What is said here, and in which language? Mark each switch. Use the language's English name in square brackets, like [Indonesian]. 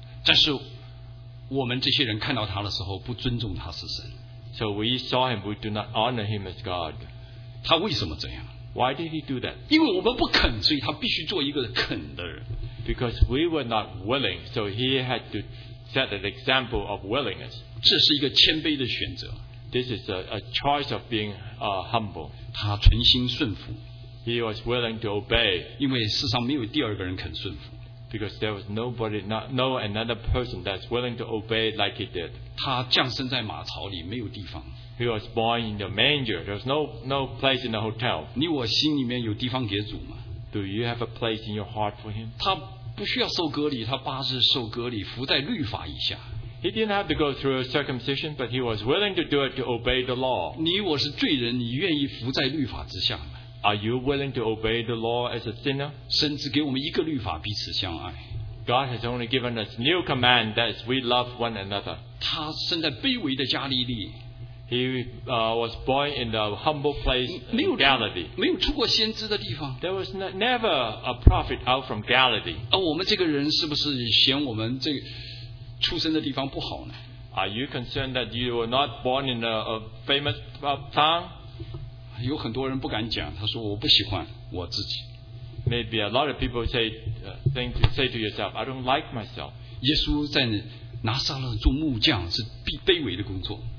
[Chinese] 但是我们这些人看到他的时候，不尊重他是神。 [English] So we saw him, we do not honor him as God. [Chinese] 他为什么这样？ [English] Why did he do that? [Chinese] 因为我们不肯，所以他必须做一个肯的人。 [English] Because we were not willing, so he had to set an example of willingness. [Chinese] 这是一个谦卑的选择。 [English] This is a choice of being humble. [Chinese] 他存心顺服。 [English] He was willing to obey. [Chinese] 因为世上没有第二个人肯顺服。 [English] Because there was no another person that's willing to obey like he did. [Chinese] 他降生在马槽里，没有地方。 [English] He was born in the manger. There's no place in the hotel. [Chinese] 你我心里面有地方给主吗 [English] ？Do you have a place in your heart for him? [Chinese] 他不需要受割礼，他八日受割礼，服在律法以下。 [English] He didn't have to go through a circumcision, but he was willing to do it to obey the law. [Chinese] 你我是罪人，你愿意服在律法之下吗 [English] ？Are you willing to obey the law as a sinner? [Chinese] 甚至给我们一个律法，彼此相爱。 [English] God has only given us new command that we love one another. [Chinese] 他生在卑微的加利利。 [English] He was born in the humble place of Galilee. [Chinese] 没有出过先知的地方。 [English] There was never a prophet out from Galilee. [Chinese] 而我们这个人是不是嫌我们这出生的地方不好呢 [English] ？Are you concerned that you were not born in a famous town? [Chinese] 有很多人不敢讲，他说我不喜欢我自己。 [English] Maybe a lot of people say to yourself, I don't like myself. [Chinese] 耶稣在拿撒勒做木匠是卑微的工作。